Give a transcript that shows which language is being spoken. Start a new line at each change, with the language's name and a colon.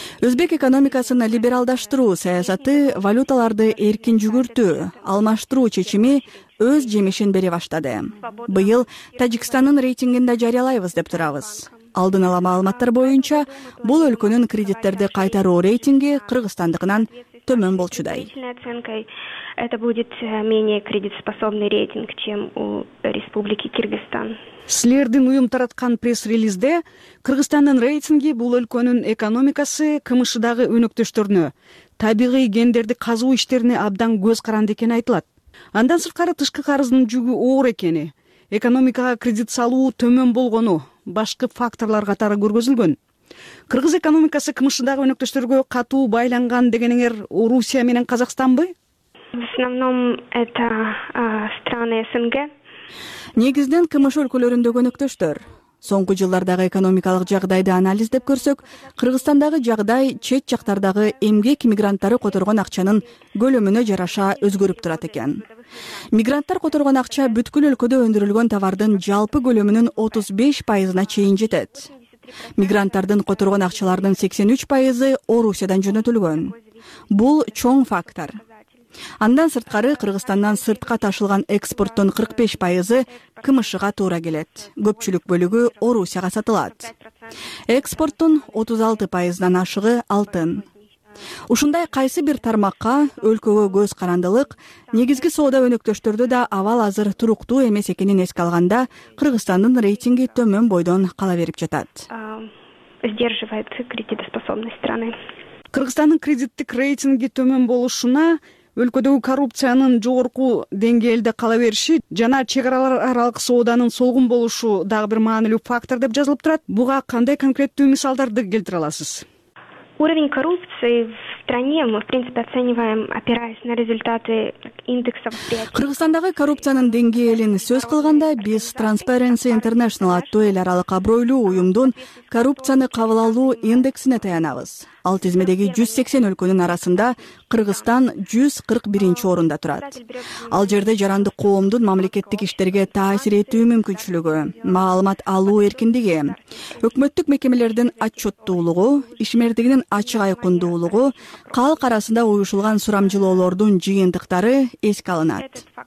Kyrgyz: Өзбек экономикасын либералдаштыруу саясаты, валюталарды эркин жүгүртүү, алмаштыруу чечими өз жемишин бере баштады. Быйыл Тажикстандын рейтингинде жарыялайбыз деп турабыз. Алдын ала маалыматтар боюнча, бул өлкөнүн кредиттерди кайтаруу рейтинги Кыргызстандыкынан төмөн болчудай.
Russian: Это будет менее кредитоспособный рейтинг, чем у Республики Кыргызстан.
Kyrgyz: Силердин уюм тараткан пресс-релизде Кыргызстандын рейтинги бул өлкөнүн экономикасы, КМШ-дагы өнөктөштөрүнө, табигый гендерди казуу иштерине абдан көз каранды экени айтылат. Андан сырткары тышкы карыздын жүгү оор экени, экономикага кредит салуу төмөн болгону башкы факторлор катары көргөзүлгөн. Кыргыз экономикасы КМШ-дагы өнөктөштөргө катуу байланган дегенеңер Орусия менен Казакстанбы?
Russian: В основном это страны СНГ.
Kyrgyz: Негизинен КМШ өлкөлөрүндөгү өнөктөштөр. Соңку жылдардагы экономикалык жагдайды анализдеп көрсөк, Кыргызстандагы жагдай чет жактардагы эмгек мигранттары которгон акчанын көлөмүнө жараша өзгөрүп турат экен. Мигранттар которгон акча бүткүл өлкөдө өндүрүлгөн товардын жалпы көлөмүнүн 35% чейин жетет. Мигранттардын которгон акчаларынын 83% Орусиядан жөнөтүлгөн. Бул чоң фактор. Андан сырткары Кыргызстандан сыртка ташылган экспорттун 45% КМШ-га туура келет. Көпчүлүк бөлүгү Орусияга сатылат. Экспорттун 36%дан ашыгы алтын. Ушундай кайсы бир тармакка, өлкөгө көз карандылык, негизги соода өнөктөштөрдө да абал азыр туруктуу эмес экенин эске алганда, Кыргызстандын рейтинги төмөн бойдон кала берип жатат.
Russian: Сдерживает кредитоспособность страны.
Kyrgyz: Кыргызстандын кредиттик рейтинги төмөн болушуна өлкөдөгү коррупциянын жогорку деңгээлде кала бериши жана чек аралык сооданын солгун болушу дагы бир маанилүү фактор деп жазылып турат. Буга кандай конкреттүү мисалдарды келтире аласыз?
Russian: Уровень коррупции в стране мы, в принципе, оцениваем, опираясь на результаты индексов.
Kyrgyz: Кыргызстандагы коррупциянын деңгээлин сөз кылганда, биз Transparency International аттуу эл аралык абройлуу уюмдун коррупцияны кабыл алуу индексине таянабыз. Ал тизмедеги 180 өлкөнүн арасында Кыргызстан 141-чи орунда турат. Ал жерде жарандык коомдун мамлекеттик иштерге таасир этүү мүмкүнчүлүгү, маалымат алуу эркиндиги, өкмөттүк мекемелердин отчеттуулугу, ишмердигинин ачык айкындуулугу, калк арасында уюшулган сурамжылоолордун жыйынтыктары эске алынат.